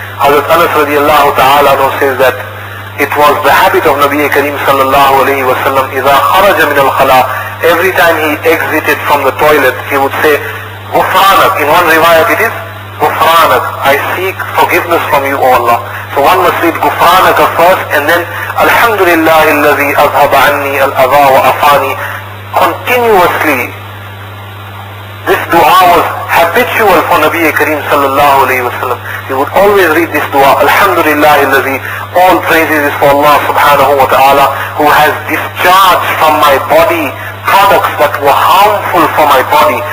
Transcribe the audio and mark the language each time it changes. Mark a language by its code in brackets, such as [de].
[en] Hazrat Anas radiallahu ta'ala says that it was the habit of Nabi Kareem sallallahu alayhi wa sallam, [ar] إِذَا خَرَجَ مِنَ الْخَلَىٰ, [en] every time he exited from the toilet, he would say, غُفْرَانَكْ. In one riwayat it is, غُفْرَانَكْ. I seek forgiveness from you, O Allah. So one must read غُفْرَانَكَ first, and then, [ar] الْحَمْدُ لِلَّهِ الَّذِي أَذْهَبَ عَنِّي الْأَذَىٰ وَأَفَانِي. [en] Continuously, this dua was habitual for Nabi Kareem sallallahu alayhi wa sallam. He would always read this dua, Alhamdulillah illazi, all praises is for Allah subhanahu wa ta'ala, who has discharged from my body products that were harmful for my body.